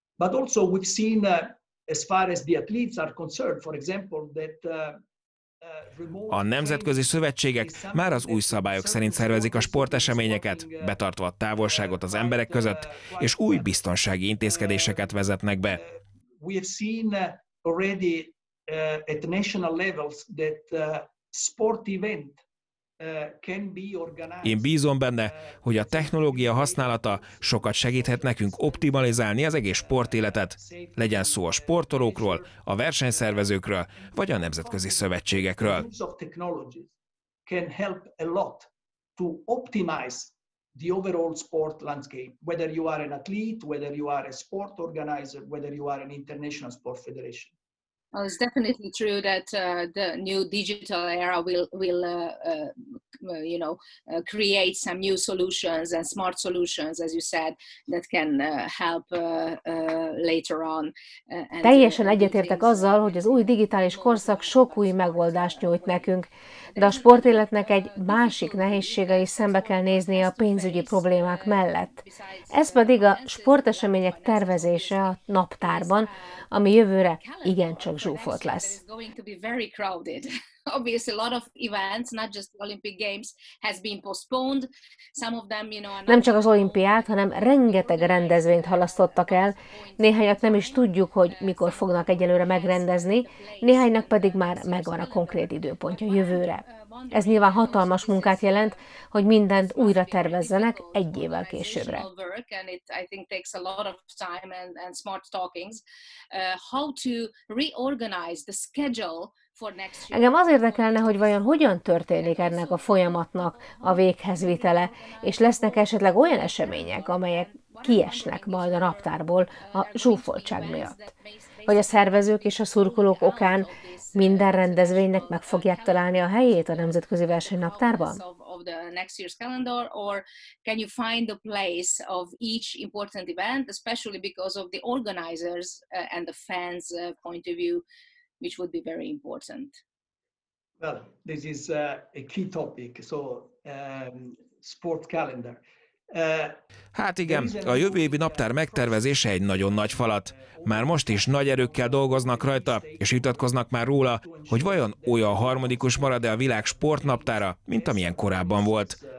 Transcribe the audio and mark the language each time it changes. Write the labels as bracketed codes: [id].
[en] But also we've seen as far as the athletes are concerned, for example, that [hu] a nemzetközi szövetségek már az új szabályok szerint szervezik a sporteseményeket, betartva a távolságot az emberek között, és új biztonsági intézkedéseket vezetnek be. [en] We have seen already at national levels that sport event can be organized. [hu] Én bízom benne, hogy a technológia használata sokat segíthet nekünk optimalizálni az egész sportéletet, legyen szó a sportolókról, a versenyszervezőkről, vagy a nemzetközi szövetségekről. [en] The use of technologies can help a lot to optimize the overall sport landscape, whether you are an athlete, whether you are a sport organizer, whether you are an international sport federation. Well, it's definitely true that the new digital era will create some new solutions and smart solutions, as you said, that can help later on. [hu] Teljesen egyetértek azzal, hogy az új digitális korszak sok új megoldást nyújt nekünk, de a sportéletnek egy másik nehézsége is szembe kell néznie a pénzügyi problémák mellett. Ez pedig a sportesemények tervezése a naptárban, ami jövőre igencsak zsúfolt. [en] It's going to be very crowded. Obviously, a lot of events, not just Olympic Games, has been postponed. Some of them, you know. [hu] Nem csak az olimpiát, hanem rengeteg rendezvényt halasztottak el. Néhányat nem is tudjuk, hogy mikor fognak egyelőre megrendezni. Néhánynak pedig már megvan a konkrét időpontja jövőre. Ez nyilván hatalmas munkát jelent, hogy mindent újra tervezzenek egy évvel későbbre. [en] And it, I think, takes a lot of time and smart talkings. How to reorganize the schedule for next year? [hu] Engem az érdekelne, hogy vajon hogyan történik ennek a folyamatnak a véghezvitele, és lesznek esetleg olyan események, amelyek kiesnek majd a raptárból a zsúfoltság miatt. Hogy a szervezők és a szurkolók okán minden rendezvénynek meg fogják találni a helyét a nemzetközi versenynaptárban? [en] Of the next year's calendar, or can you find the place of each important event, especially because of the organizers and the fans' point of view, which would be very important? Well, this is a key topic, so sports calendar. [hu] Hát igen, a jövő évi naptár megtervezése egy nagyon nagy falat. Már most is nagy erőkkel dolgoznak rajta, és vitatkoznak már róla, hogy vajon olyan harmonikus marad-e a világ sportnaptára, mint amilyen korábban volt.